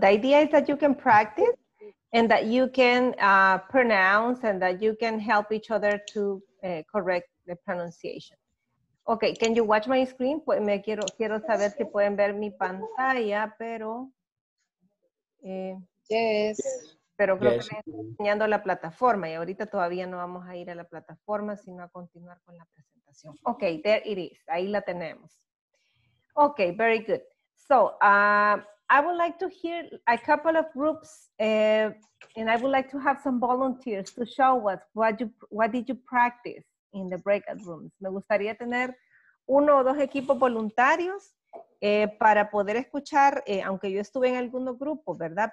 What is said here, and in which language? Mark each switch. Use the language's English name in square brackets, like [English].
[English] The idea is that you can practice and that you can pronounce and that you can help each other to correct the pronunciation. Ok, can you watch my screen? [Spanish] Pues me quiero saber si pueden ver mi pantalla, pero... [English] Yes. [Spanish] Pero creo que me estoy enseñando la plataforma y ahorita todavía no vamos a ir a la plataforma, sino a continuar con la presentación. [English] Ok, there it is. [Spanish] Ahí la tenemos. [English] Ok, very good. So, I would like to hear a couple of groups and I would like to have some volunteers to show us what did you practice in the breakout rooms. [Spanish] Me gustaría tener uno o dos equipos voluntarios para poder escuchar, aunque yo estuve en algunos grupos, ¿verdad?